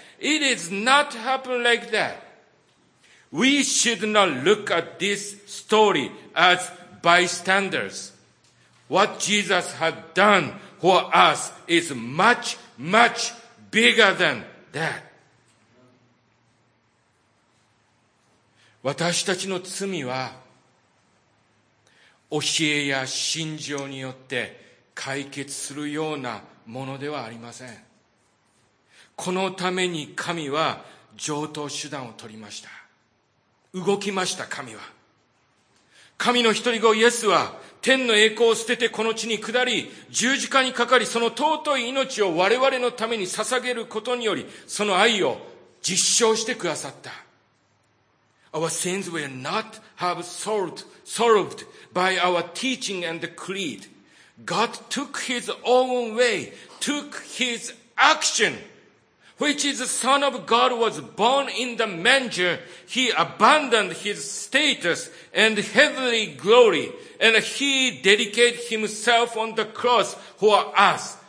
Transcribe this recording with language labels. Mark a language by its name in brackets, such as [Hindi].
[English] It is not happen like that. We should not look at this story as bystanders. What Jesus had done for us is much, much bigger than that. [Japanese] 私たちの罪は教えや信条によって解決するようなものではありません。このために神は常套手段を取りました。動きました。神は、神の一人子イエスは天の栄光を捨ててこの地に下り、十字架にかかり、その尊い命を我々のために捧げることにより、その愛を実証してくださった。 [English] Our sins will not have solved by our teaching and creed. God took his own way, took his actionWhich is the Son of God was born in the manger. He abandoned his status and heavenly glory, and he dedicated himself on the cross for us.